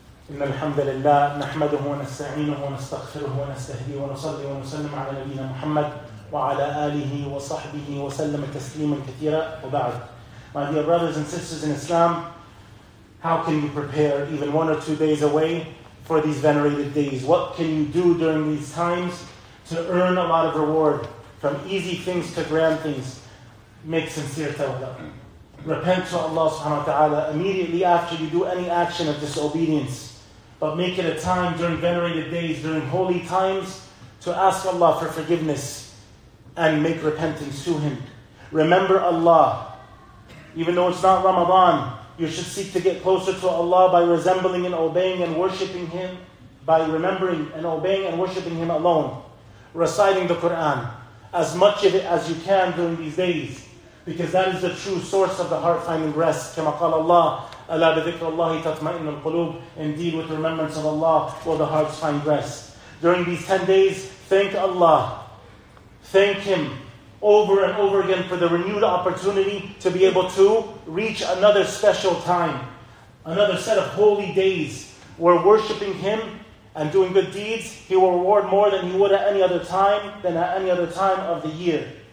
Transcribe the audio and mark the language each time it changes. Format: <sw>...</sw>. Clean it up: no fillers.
<ar>إن الحمد لله نحمده ونستعينه ونستغفره ونستهديه ونصلي ونسلم على نبينا محمد وعلى آله وصحبه وسلم تسليما كثيرا وبعد.</ar> <en>My dear brothers and sisters in Islam, how can you prepare even one or two days away for these venerated days? What can you do during these times to earn a lot of reward, from easy things to grand things? Make sincere tawbah. Repent to Allah subhanahu wa ta'ala immediately after you do any action of disobedience. But make it a time during venerated days, during holy times, to ask Allah for forgiveness and make repentance to Him. Remember Allah. Even though it's not Ramadan, you should seek to get closer to Allah by resembling and obeying and worshipping Him, by remembering and obeying and worshipping Him alone. Reciting the Quran, as much of it as you can during these days, because that is the true source of the heart finding rest.</en> <ar>Kama qala Allah, أَلَا بِذِكْرَ اللَّهِ تَطْمَئِنُ الْقُلُوبِ.</ar> <en>Indeed, with remembrance of Allah will the hearts find rest. During these 10 days, thank Allah. Thank Him over and over again for the renewed opportunity to be able to reach another special time, another set of holy days where worshipping Him and doing good deeds, He will reward more than He would at any other time, than at any other time of the year.</en>